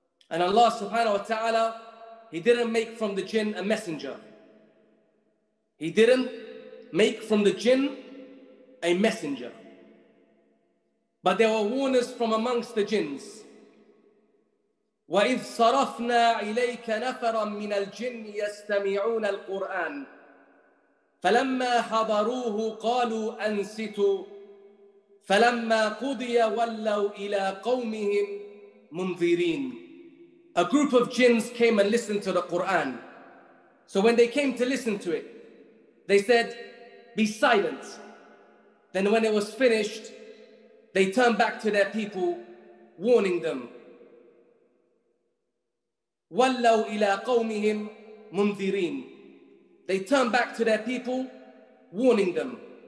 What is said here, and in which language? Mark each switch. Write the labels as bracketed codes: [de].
[en] And Allah subhanahu wa ta'ala, He didn't make from the jinn a messenger. He didn't make from the jinn a messenger. But there were warners from amongst the jinns. [ar] وَإِذْ صَرَفْنَا إِلَيْكَ نَفَرًا مِنَ الْجِنِّ يَسْتَمِعُونَ الْقُرْآنِ فَلَمَّا حَضَرُوهُ قَالُوا أَنْسِتُوا فَلَمَّا قُضِيَ وَلَّوْا إِلَىٰ قَوْمِهِمْ مُنْذِرِينَ [en] A group of jinns came and listened to the Qur'an. So when they came to listen to it, they said, be silent. Then when it was finished, they turned back to their people, warning them. [ar] وَلَّوْا إِلَىٰ قَوْمِهِمْ مُنْذِرِينَ [en] They turned back to their people, warning them.